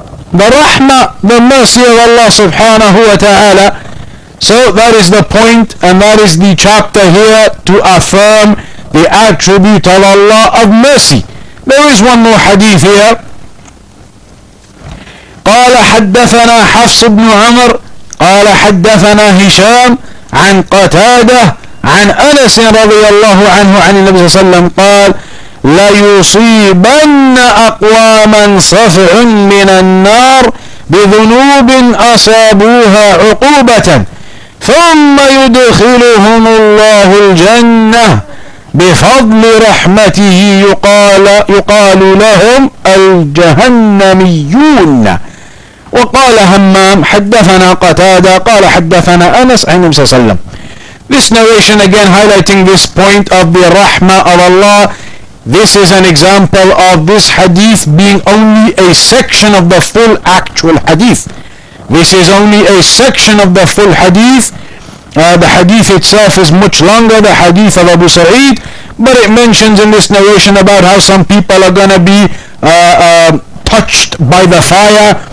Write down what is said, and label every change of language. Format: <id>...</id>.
<en>The rahmah, the mercy of Allah subhanahu wa ta'ala. So that is the point, and that is the chapter here to affirm the attribute of Allah of mercy. There is one more hadith here.</en> <ar>قال حدثنا حفص بن عمر قال حدثنا هشام عن قتادة عن أنس رضي الله عنه عن النبي صلى الله عليه وسلم قال ليصيبن أقواما صفع من النار بذنوب أصابوها عقوبة ثم يدخلهم الله الجنة بفضل رحمته يقال لهم الجهنميون. وقال همام حدثنا قتادة قال حدثنا أنس عن النبي صلى الله عليه وسلم.</ar> <en>This narration again highlighting this point of the rahma of Allah. This is an example of this hadith being only a section of the full actual hadith. This is only a section of the full hadith. The hadith itself is much longer, the hadith of Abu Sa'id, but it mentions in this narration about how some people are going to be touched by the fire.</en>